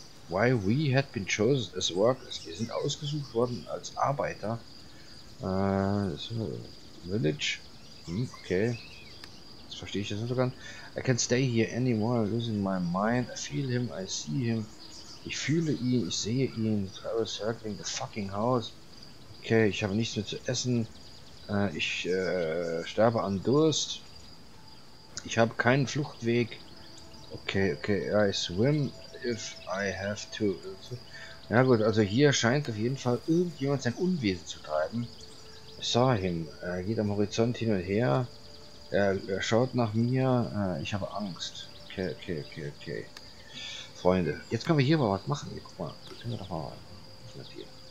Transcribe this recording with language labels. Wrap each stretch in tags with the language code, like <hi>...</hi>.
<en>Why we had been chosen as workers.</en> <de>Wir sind ausgesucht worden als Arbeiter. So, Village. Okay. Das verstehe ich jetzt nicht so ganz.</de> <en>I can't stay here anymore. I'm losing my mind. I feel him. I see him.</en> <de>Ich fühle ihn. Ich sehe ihn.</de> <en>Travel circling the fucking house. Okay.</en> <de>Ich habe nichts mehr zu essen. Ich sterbe an Durst. Ich habe keinen Fluchtweg.</de> <en>Okay, okay, I swim if I have to.</en> <de>Ja gut, also hier scheint auf jeden Fall irgendjemand sein Unwesen zu treiben.</de> <en>I saw him.</en> <de>Er geht am Horizont hin und her. Er schaut nach mir. Ich habe Angst. Okay, okay, okay, okay. Freunde, jetzt können wir hier mal was machen. Hier, guck mal, können wir doch mal was machen.</de>